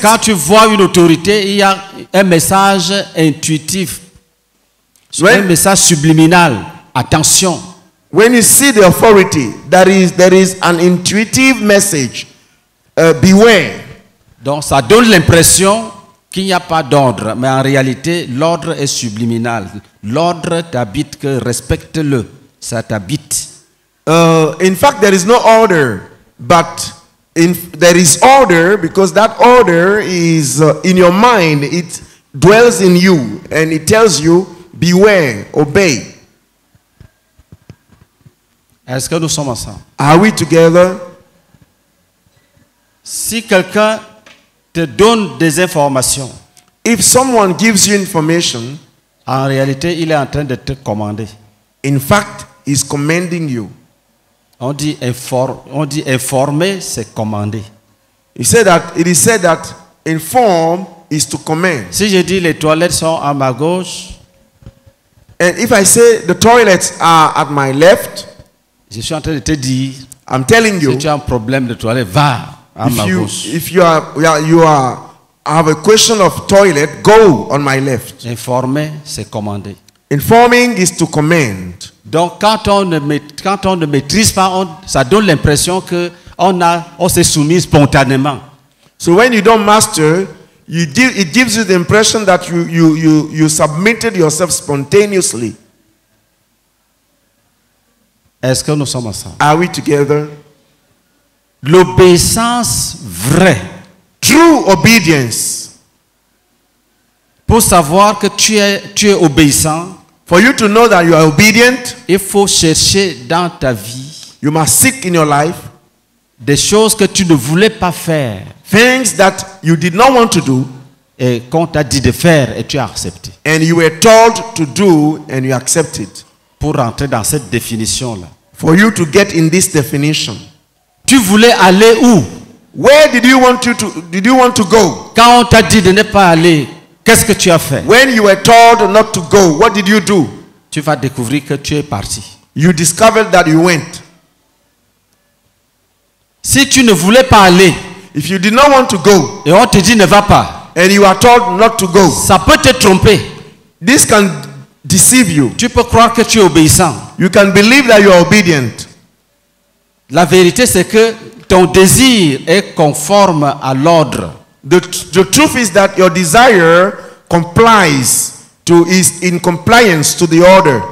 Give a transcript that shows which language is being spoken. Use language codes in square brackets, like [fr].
[fr] Quand tu vois une autorité, il y a un message intuitif, un message subliminal. Attention. [en] When you see the authority, there is an intuitive message. Beware. [fr] Donc ça donne l'impression qu'il n'y a pas d'ordre, mais en réalité l'ordre est subliminal. L'ordre t'habite, que respecte-le, ça t'habite. [en] In fact, there is no order, but there is order because that order is in your mind. It dwells in you and it tells you beware, obey. [fr] Est-ce que nous sommes ensemble? [en] Are we together? [fr] Si quelqu'un te donne des informations, [en] if someone gives you information, [fr] en réalité, il est en train de te commander. [en] In fact, he's commanding you. [fr] On dit informer, c'est commander. [en] He said that inform is to command. [fr] Si je dis les toilettes sont à ma gauche, [en] and if I say the toilets are at my left, [fr] je suis en train de te dire, [en] I'm telling you, [fr] si tu as un problème de toilette, va à ma gauche. [en] If you have a question of toilet, go on my left. [fr] Informer, c'est commander. [en] Informing is to command. [fr] Donc quand on ne maîtrise pas, ça donne l'impression que on s'est soumis spontanément. [en] So when you don't master, it gives you the impression that you submitted yourself spontaneously. [fr] Est-ce que nous sommes ensemble? [en] Are we together? [fr] L'obéissance vraie. [en] True obedience. [fr] Pour savoir que tu es obéissant, [en] for you to know that you are obedient, [fr] il faut chercher dans ta vie, [en] you must seek in your life, [fr] des choses que tu ne voulais pas faire, [en] things that you did not want to do, [fr] et qu'on t'a dit de faire et tu as accepté, [en] and you were told to do and you accepted, [fr] pour rentrer dans cette définition là, [en] for you to get in this definition. [fr] Tu voulais aller où? [en] Where did you want to go? [fr] Quand on t'a dit de ne pas aller, qu'est-ce que tu as fait? [en] When you were told not to go, what did you do? [fr] Tu vas découvrir que tu es parti. [en] You discovered that you went. [fr] Si tu ne voulais pas aller, [en] if you did not want to go, [fr] et on te dit ne va pas, [en] and you are told not to go, [fr] ça peut te tromper. [en] This can deceive you. [fr] Tu peux croire que tu es obéissant. [en] You can believe that you are obedient. [fr] La vérité c'est que ton désir est conforme à l'ordre. [en] The truth is that your desire complies to is in compliance to the order.